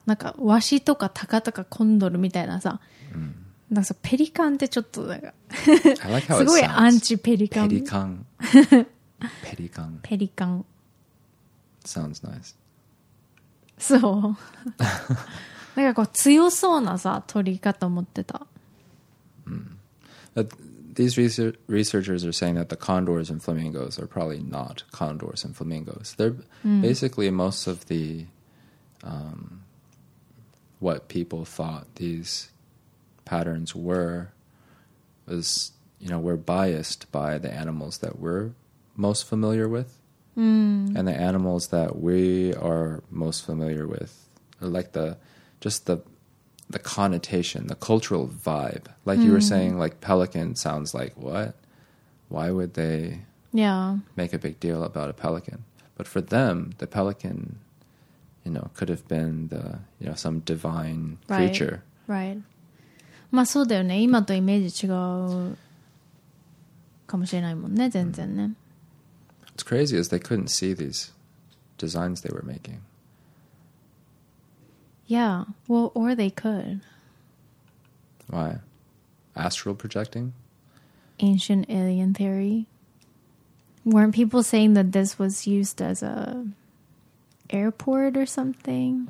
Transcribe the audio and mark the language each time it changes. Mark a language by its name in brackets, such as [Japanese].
[Japanese] なんかワシとかタカとかコンドルみたいなさ。なんかペリカンってちょっとなんか [English] I like [Japanese] how すごいアンチペリカンペリカンペリカンペリカン [English] sounds nice [Japanese] そうなんかこう強そうなさ鳥かと思ってた、 [English] These researchers are saying that the condors and flamingos are probably not condors and flamingos they're basically most of the what people thought thesepatterns were was you know we're biased by the animals that we're most familiar with and the animals that we are most familiar with are like the just the connotation the cultural vibe like you were saying like pelican sounds like what why would they make a big deal about a pelican but for them the pelican you know could have been the you know some divine creature right. [Japanese] まあそうだよね今とイメージ違うかもしれないもんね全然ね [English] It's crazy is they couldn't see these designs they were making Yeah, well, or they could Why? Astral projecting? Ancient alien theory Weren't people saying that this was used as a airport or something?